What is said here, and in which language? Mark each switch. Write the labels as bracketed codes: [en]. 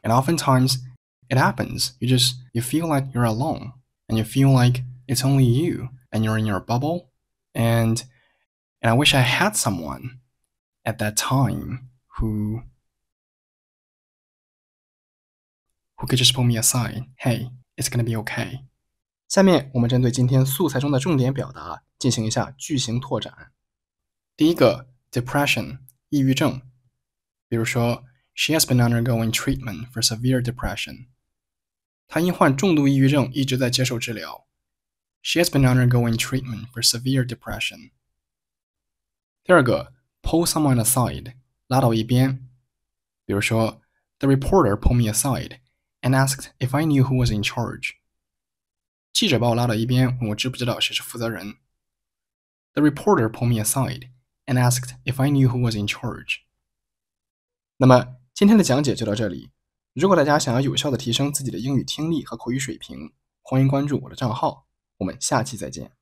[en] And oftentimes, it happens. You feel like you're alone. And you feel like it's only you. And you're in your bubble. And I wish I had someone at that time who could just pull me aside. Hey, it's going to be okay. [zh] 下面我们针对今天素材中的重点表达进行一下句型拓展。第一个 [en] depression [zh] 抑郁症，比如说 [en] She has been undergoing treatment for severe depression. [zh] 她因患重度抑郁症一直在接受治疗。 [en] She has been undergoing treatment for severe depression. [zh] 第二个 [en] pull someone aside [zh] 拉到一边，比如说 [en] The reporter pulled me aside and asked if I knew who was in charge. [zh] 记者把我拉到一边，问我知不知道谁是负责人。 [en] The reporter pulled me asideand asked if I knew who was in charge. [zh] 那么今天的讲解就到这里。如果大家想要有效地提升自己的英语听力和口语水平，欢迎关注我的账号。我们下期再见。